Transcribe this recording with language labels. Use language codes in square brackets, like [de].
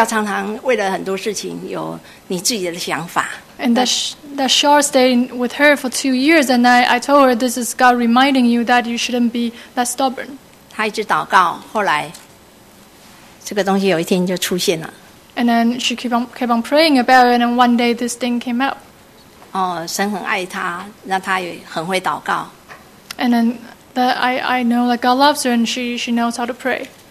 [zh] 这个东西跟她两年，那我常常提醒她，你一定要顺服啊，你不要常常为了很多事情有你自己的想法。 [en] And that shark stayed with her for 2 years, and I told her, this is God reminding you that you shouldn't be that stubborn. [zh] 她一直祷告，后来这个东西有一天就出现了。 [en] And then she kept on praying about it, and then one day this thing came out. [zh] 哦，神很爱她，那她也很会祷告。And [en] then that I know that God loves her, and she knows how to pray.